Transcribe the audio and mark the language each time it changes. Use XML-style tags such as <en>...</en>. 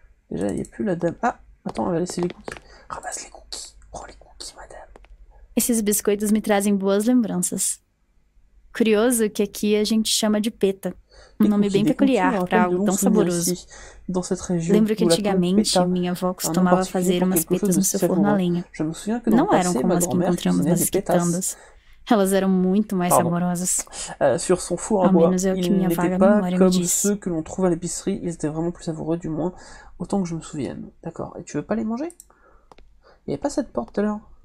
<fr>Déjà, il n'y a plus la dame. Ah, attends, elle va laisser les cookies. Ramasse les cookies. Prends les cookies, madame.</fr> <pt>Esses biscoitos me trazem boas lembranças. Curioso que aqui a gente chama de peta. Um nome bem peculiar para algo tão saboroso.</pt> <fr>Dans cette région,</fr> <pt>lembro que antigamente minha avó costumava fazer umas petas no seu forno à lenha.</pt> <fr>Je me souviens que</fr> <pt>não eram como as que encontramos nas quitandas.</pt> <fr>Elles étaient beaucoup plus amoureuses. Sur son four à bois, ils n'étaient pas comme ceux que l'on trouve à l'épicerie. Ils étaient vraiment plus savoureux, du moins, autant que je me souvienne. D'accord. Et tu veux pas les manger? Il n'y avait pas cette porte tout à l'heure.</fr>